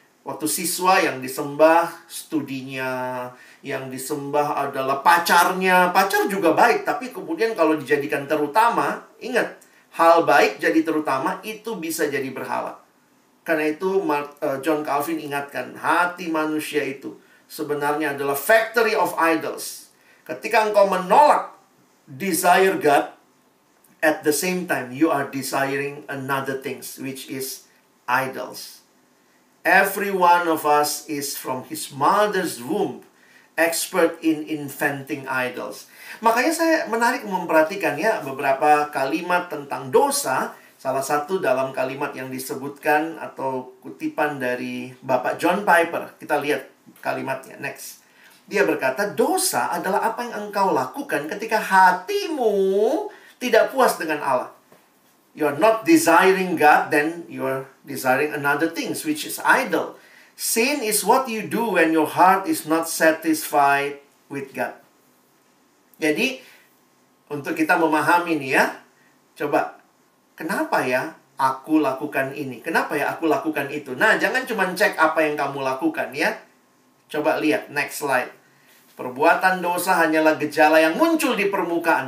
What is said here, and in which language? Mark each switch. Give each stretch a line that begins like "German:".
Indonesian: Waktu siswa yang disembah studinya, yang disembah adalah pacarnya. Pacar juga baik, tapi kemudian kalau dijadikan terutama, ingat, hal baik jadi terutama, itu bisa jadi berhala. Karena itu John Calvin ingatkan, hati manusia itu sebenarnya adalah
English: factory of idols.
Indonesian: Ketika engkau menolak desire God,
English: at the same time you are desiring another things, which is idols. Every one of us is from his mother's womb expert in inventing idols.
Indonesian: Makanya saya menarik memperhatikan ya beberapa kalimat tentang dosa. Salah satu dalam kalimat yang disebutkan atau kutipan dari Bapak John Piper. Kita lihat kalimatnya, next. Dia berkata, dosa adalah apa yang engkau lakukan ketika hatimu tidak puas dengan Allah.
English: You are not desiring God, then you are desiring another thing, which is idol. Sin is what you do when your heart is not satisfied with God.
Indonesian: Jadi, untuk kita memahami ini ya, coba, kenapa ya aku lakukan ini? Kenapa ya aku lakukan itu? Nah, jangan cuma cek apa yang kamu lakukan ya. Coba lihat, next slide. Perbuatan dosa hanyalah gejala yang muncul di permukaan.